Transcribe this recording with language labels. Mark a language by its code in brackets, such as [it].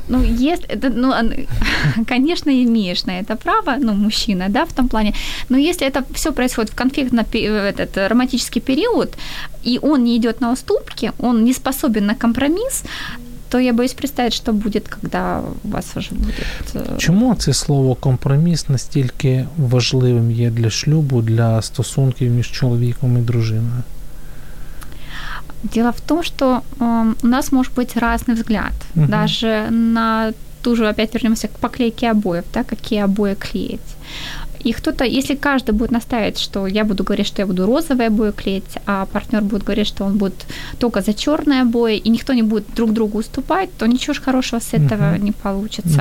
[ru] Ну, если, ну, конечно, имеешь на это право, ну, мужчина, да, в том плане. Но если это все происходит в этот романтический период, и он не идет на уступки, он не способен на компромисс, то я боюсь представить, что будет, когда у вас уже будет... [uk] Чому це слово «компроміс» настільки важливим є для шлюбу, для стосунків між чоловіком і дружиною? [ru] Дело в том, что у нас может быть разный взгляд. Угу. Даже на ту же, опять вернемся к поклейке обоев, да, какие обои клеить. И кто-то, если каждый будет настаивать, что я буду говорить, что я буду розовые обои клеить, а партнер будет говорить, что он будет только за черные обои, и никто не будет друг другу уступать, то ничего же хорошего с этого uh-huh. не получится.